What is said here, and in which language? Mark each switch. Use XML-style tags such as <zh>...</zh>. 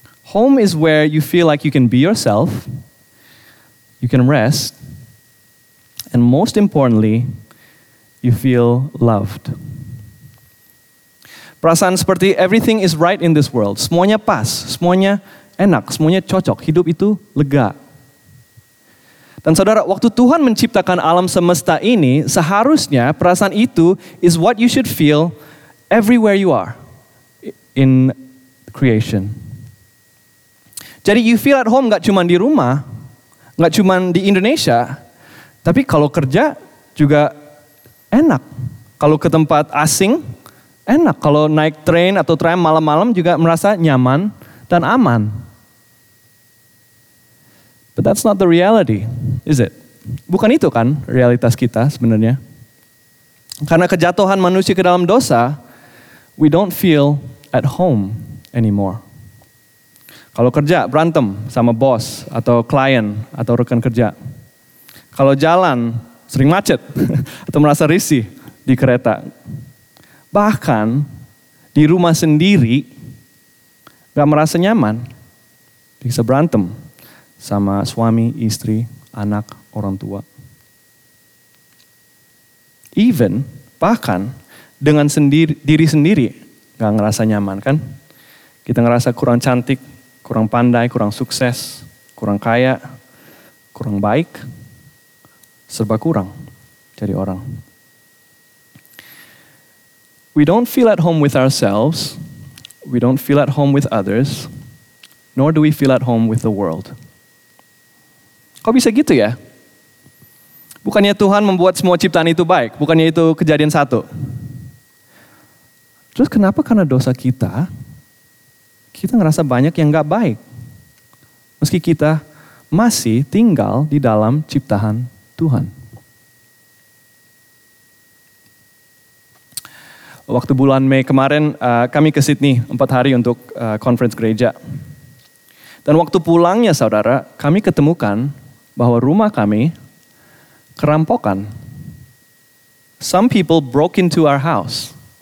<en>Home is where you feel like you can be yourself, you can rest, and most importantly, you feel loved.</en> <id>Perasaan seperti</id> <en>everything is right in this world.</en> <id>Semuanya pas, semuanya enak, semuanya cocok. Hidup itu lega. Dan saudara, waktu Tuhan menciptakan alam semesta ini, seharusnya perasaan itu</id> <en>is what you should feel everywhere you are in creation.</en> <id>Jadi</id> <en>you feel at home</en> <id>gak cuma di rumah, gak cuma di Indonesia, tapi kalau kerja juga enak. Kalau ke tempat asing, enak. Kalau naik train atau tram malam-malam juga merasa nyaman dan aman.</id> <en>But that's not the reality, is it?</en> <id>Bukan itu kan realitas kita sebenarnya. Karena kejatuhan manusia ke dalam dosa,</id> <en>we don't feel at home anymore.</en> <id>Kalau kerja, berantem sama bos atau klien atau rekan kerja. Kalau jalan, sering macet atau merasa risih di kereta. Bahkan di rumah sendiri, gak merasa nyaman. Bisa berantem sama suami, istri, anak, orang tua. Even, bahkan, dengan diri sendiri, gak ngerasa nyaman, kan? Kita ngerasa kurang cantik, kurang pandai, kurang sukses, kurang kaya, kurang baik, serba kurang jadi orang.</id> <en>We don't feel at home with ourselves, we don't feel at home with others, nor do we feel at home with the world.</en> <id>Kok bisa gitu ya? Bukannya Tuhan membuat semua ciptaan itu baik? Bukannya itu kejadian satu? Terus kenapa karena dosa kita, kita ngerasa banyak yang gak baik? Meski kita masih tinggal di dalam ciptaan Tuhan. Waktu bulan Mei kemarin, kami ke Sydney 4 hari untuk conference gereja. Dan waktu pulangnya saudara, kami ketemukan bahwa rumah kami kerampokan.</id> <en>Some people broke into our house.</en>